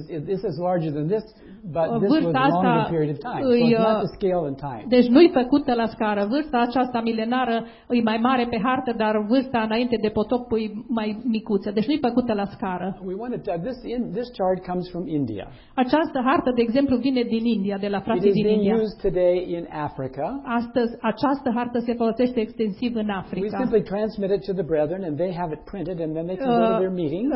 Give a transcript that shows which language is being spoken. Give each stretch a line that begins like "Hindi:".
English: This is larger than this, but this was a longer period of time, so it's not the scale in time.
Romanian: Deci nu-i făcută la scară. Vârsta aceasta milenară e mai mare pe hartă, dar vârsta înainte de potop e mai micuță. Deci nu-i făcută la scară.
English: This chart comes from India.
Romanian: Această hartă, de exemplu, vine din India, de la frații din India.
English: It is being used today in Africa.
Romanian: Astăzi, această hartă se folosește extensiv în Africa.
English: We simply transmit it to the brethren, and they have it printed, and then they can go to their meetings.